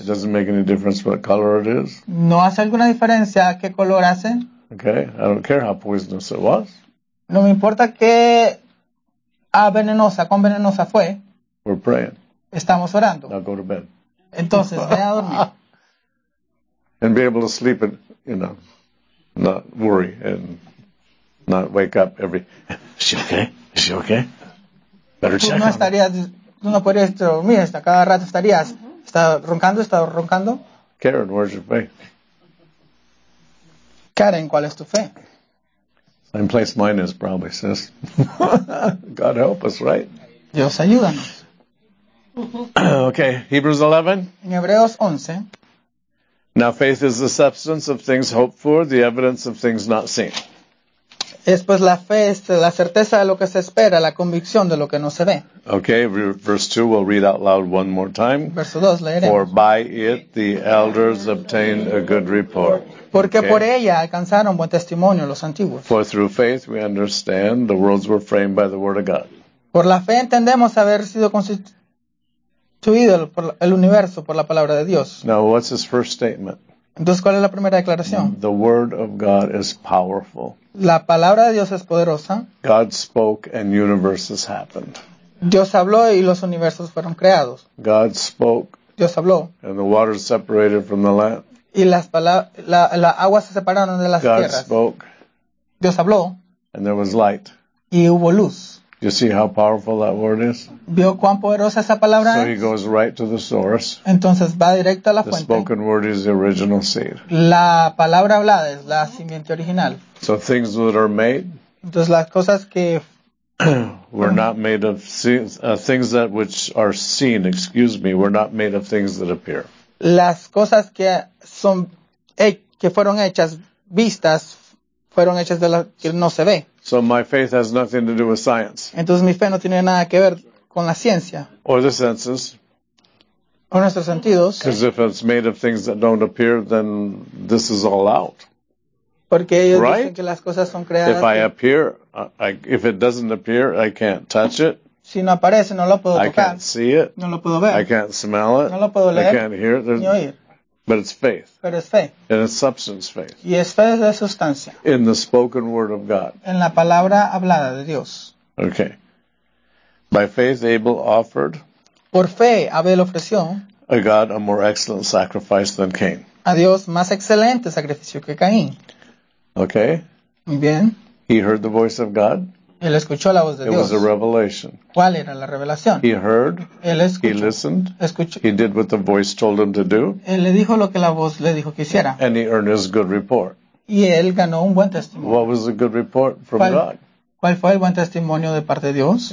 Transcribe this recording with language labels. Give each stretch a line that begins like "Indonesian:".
English: It doesn't make any difference what color it is.
Spanish: No hace alguna diferencia qué color hacen.
English: Okay, I don't care how poisonous it was.
Spanish: No me importa qué venenosa, cuán venenosa fue.
English: We're praying.
Spanish: Estamos orando.
English: Now go to bed.
Spanish: Entonces, ve a dormir.
English: And be able to sleep and, you know, not worry and not wake up every... Is she okay? Is she okay? Better check
Spanish: no estarías,
English: on
Spanish: tú no podrías dormir hasta cada rato estarías. ¿Está roncando?
English: Karen, where's your faith?
Spanish: Karen, ¿cuál es tu fe?
English: Same place mine is, probably, sis. God help us, right?
Spanish: Dios, ayúdanos.
English: Okay, Hebrews 11.
Spanish: En Hebreos 11.
English: Now faith is the substance of things hoped for, the evidence of things not seen.
Spanish: Es pues la fe, es la certeza de lo que se espera, la convicción de lo que no se ve.
English: Okay, verse 2, we'll read out loud one more time.
Spanish: Verso 2, leeremos.
English: For by it the elders obtained a good report.
Spanish: Porque okay. Por ella alcanzaron buen testimonio los antiguos.
English: For through faith we understand the worlds were framed by the word of God.
Spanish: Por la fe entendemos haber sido constituido el universo por la palabra de Dios.
English: Now, what's his first statement?
Spanish: Entonces, ¿cuál es la primera declaración?
English: The word of God is powerful.
Spanish: La palabra de Dios es poderosa.
English: God spoke and universes happened.
Spanish: Dios habló y los universos fueron creados.
English: God spoke.
Spanish: Dios habló.
English: And the waters separated from the land.
Spanish: Y la agua se separaron de las
English: God
Spanish: tierras.
English: God spoke.
Spanish: Dios habló.
English: And there was light.
Spanish: Y hubo luz.
English: You see how powerful that word is?
Spanish: ¿Vio cuán poderosa esa palabra es?
English: So he goes right to the source.
Spanish: Entonces va directo a la fuente.
English: The spoken word is the original seed.
Spanish: La palabra hablada es la simiente original.
English: So things that are made.
Spanish: Entonces las cosas que
English: were not made of things that which are seen, excuse me, were not made of things that appear.
Spanish: Las cosas que son que fueron hechas vistas fueron hechas de lo que no se ve.
English: So my faith has nothing to do with science.
Spanish: Entonces mi fe no tiene nada que ver con la ciencia.
English: Or the senses.
Spanish: O nuestros sentidos.
English: Because if it's made of things that don't appear, then this is all out.
Spanish: Porque ellos
English: right?
Spanish: Dicen que las cosas son creadas.
English: If I appear, if it doesn't appear, I can't touch it.
Spanish: Si no aparece, no lo puedo tocar.
English: I can't see it.
Spanish: No lo puedo ver.
English: I can't smell it.
Spanish: No lo puedo leer.
English: I can't hear it.
Spanish: Ni oír.
English: But it's faith.
Spanish: Pero es fe.
English: And it's substance faith.
Spanish: Y es fe de sustancia.
English: In the spoken word of God.
Spanish: En la palabra hablada de Dios.
English: Okay. By faith Abel offered.
Spanish: Por fe Abel ofreció.
English: A God a more excellent sacrifice than Cain.
Spanish: A Dios más excelente sacrificio que Caín.
English: Okay.
Spanish: Muy bien.
English: He heard the voice of God.
Spanish: Él escuchó la voz de
English: It
Spanish: Dios.
English: Was a revelation.
Spanish: ¿Cuál era la revelación?
English: He heard.
Spanish: Él escuchó.
English: He listened.
Spanish: Escuchó.
English: He did what the voice told him to do.
Spanish: Él le dijo lo que la voz le dijo que hiciera.
English: And he earned his good report.
Spanish: Y él ganó un buen testimonio.
English: What was the good report from God?
Spanish: ¿Cuál fue el buen testimonio de parte de Dios?